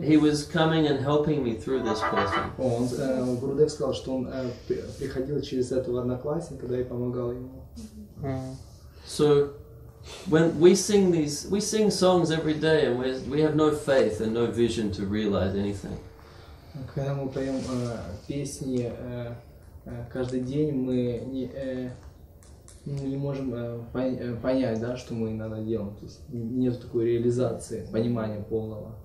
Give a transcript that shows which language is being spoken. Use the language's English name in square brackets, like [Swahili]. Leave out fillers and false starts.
[English] He was coming and helping me through this person. [Russian] Он Gurudev сказал, что он приходил через этого одноклассника, когда я помогал ему. [English] So when we sing songs every day and we have no faith and no vision to realize anything. [Russian] Когда мы поем песни каждый день, мы не не можем понять, да, что мы иногда делаем, то есть нет такой реализации, понимания полного.